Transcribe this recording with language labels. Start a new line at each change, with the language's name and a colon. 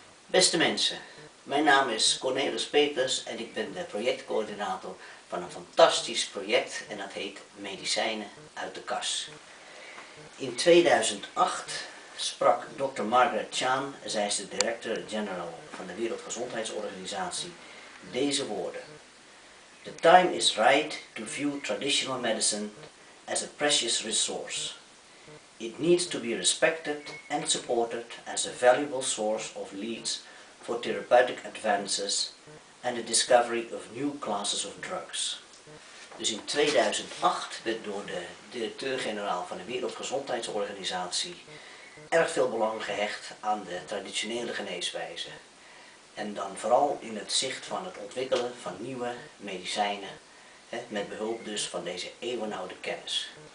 Dutch: Beste mensen, mijn naam is Cornelis Peepers en ik ben de projectcoördinator van een fantastisch project en dat heet Medicijnen uit de Kas. In 2008 sprak Dr. Margaret Chan, zij is de directeur-general van de Wereldgezondheidsorganisatie, deze woorden.
English: The time is right to view traditional medicine as a precious resource. It needs to be respected and supported as a valuable source of leads for therapeutic advances and the discovery of new classes of drugs.
Dutch: Dus in 2008 werd door de directeur-generaal van de Wereldgezondheidsorganisatie erg veel belang gehecht aan de traditionele geneeswijze. En dan vooral in het zicht van het ontwikkelen van nieuwe medicijnen, met behulp dus van deze eeuwenoude kennis.